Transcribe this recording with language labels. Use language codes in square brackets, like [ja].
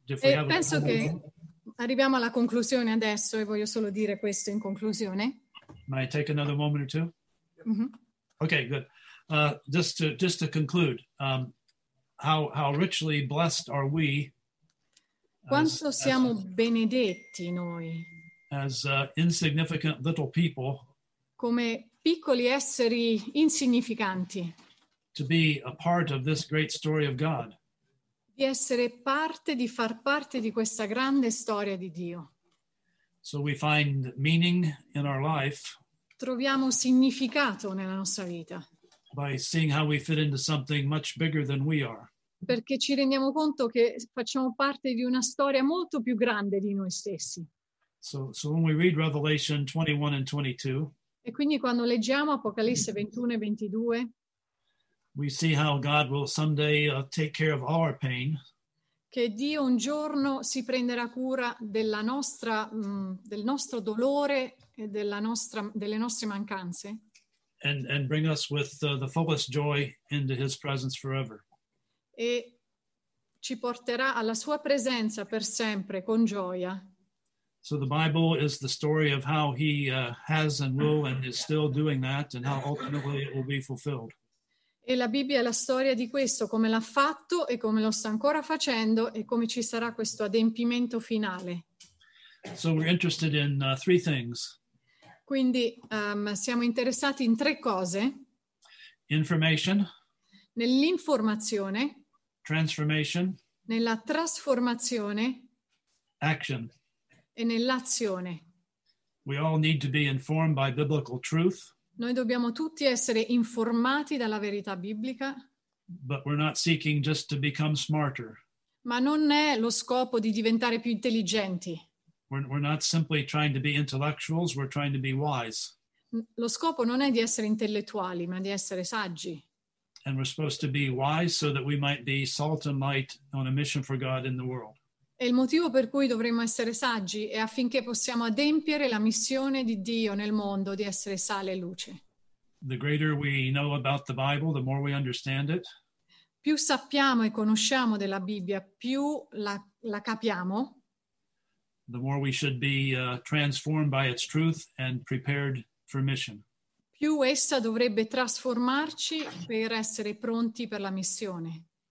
[en] if we have [it] penso che arriviamo alla conclusione adesso e voglio solo dire questo in conclusione. [en] May I take another moment or two? Mm-hmm. Okay, good. Just to conclude, how richly blessed are we? [it] Quanto siamo benedetti noi? [en] As insignificant little people. [it] Come piccoli esseri insignificanti. [en] To be a part of this great story of God. [it] Di essere parte, di far parte di questa grande storia di Dio. [en] So we find meaning in our life. [it] Troviamo significato nella nostra vita. [en] By seeing how we fit into something much bigger than we are. [it] Perché ci rendiamo conto che facciamo parte di una storia molto più grande di noi stessi. [en] So when we read Revelation 21 and 22. [it] E quindi quando leggiamo Apocalisse 21 e 22. [en] We see how God will someday take care of our pain. [it] Che Dio un giorno si prenderà cura della nostra del nostro dolore e delle nostre mancanze. [en] And bring us with the fullest joy into His presence forever. [it] E ci porterà alla Sua presenza per sempre con gioia. [en] So the Bible is the story of how He has and will and is still doing that, and how ultimately it will be fulfilled. [it] E la Bibbia è la storia di questo, come l'ha fatto e come lo sta ancora facendo e come ci sarà questo adempimento finale. [en] So we're interested in three things. [it] Quindi siamo interessati in tre cose. [en] Information. [it] Nell'informazione. [en] Transformation. [it] Nella trasformazione. [en] Action. [it] E nell'azione. [en] We all need to be informed by biblical truth. [it] Noi dobbiamo tutti essere informati dalla verità biblica. [en] But we're not seeking just to become smarter. [it] Ma non è lo scopo di diventare più intelligenti. [en] We're not simply trying to be intellectuals, we're trying to be wise. [it] Lo scopo non è di essere intellettuali, ma di essere saggi. [en] And we're supposed to be wise so that we might be salt and light on a mission for God in the world. [it] E il motivo per cui dovremmo essere saggi è affinché possiamo adempiere la missione di Dio nel mondo di essere sale e luce. [en] The greater we know about the Bible, the more we understand it. [it] Più sappiamo e conosciamo della Bibbia, più la capiamo. [en] The more we should be transformed by its truth and prepared for mission. [it] Più essa dovrebbe trasformarci per essere pronti per la missione.